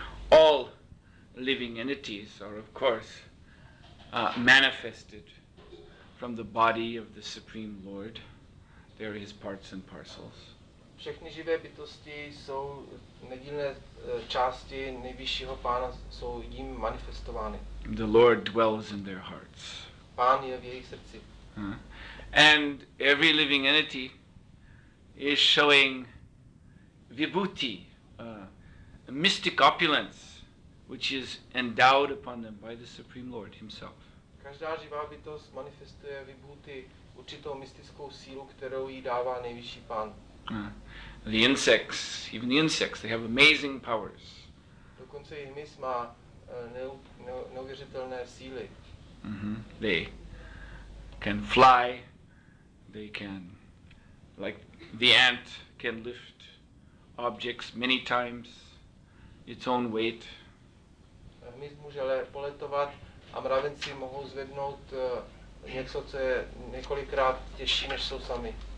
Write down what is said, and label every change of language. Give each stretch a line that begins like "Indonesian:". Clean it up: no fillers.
English: All living entities are of course manifested from the body of the Supreme Lord. They're his parts and parcels.
Czech: Všechny živé bytosti jsou nedílné části nejvyššího pána, jsou jím manifestovány.
English: The Lord dwells in their hearts.
Czech: Pán je v jejich srdci.
English: And every living entity is showing vibhuti, a mystic opulence, which is endowed upon them by the Supreme Lord himself.
Czech: Každá živá bytost manifestuje vibhuti, určitou mystickou sílu, kterou jí dává nejvyšší pán.
English: The insects, even the insects, they have amazing powers.
Czech: Dokonce i hmyz má neuvěřitelné síly.
English: They can fly, they can, like the ant can lift objects many times its own weight.
Czech: Hmyz může poletovat a mravenci mohou zvednout něco, co je několikrát těžší, než jsou sami.